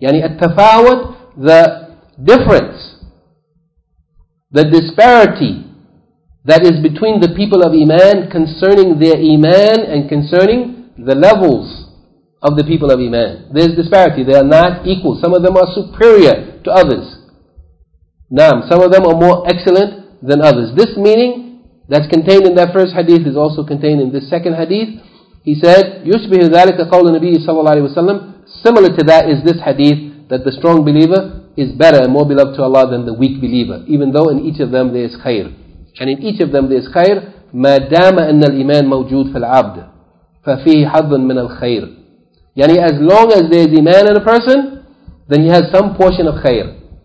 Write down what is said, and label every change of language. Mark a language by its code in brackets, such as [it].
[en] Yani at-tafawut, the difference, the disparity that is between the people of iman concerning their iman and concerning the levels of the people of iman. There's disparity. They are not equal. Some of them are superior to others. Naam, some of them are more excellent than others. This meaning that's contained in that first hadith is also contained in this second hadith. [ar] He said, يُشْبِهُ ذَلِكَ قَوْلُ النَّبِيِّ صلى الله عليه وسلم. [en] Similar to that is this hadith that the strong believer is better and more beloved to Allah than the weak believer, even though in each of them there is khair. And in each of them there is khair. [ar] مَا دَامَ أَنَّ الْإِيمَانِ مَوْجُودْ فِي الْعَبْدِ فَفِيهِ حَظٌّ مِنَ الْخَيْرِ. [en] Yani as long as there is iman in a person, then he has some portion of khair.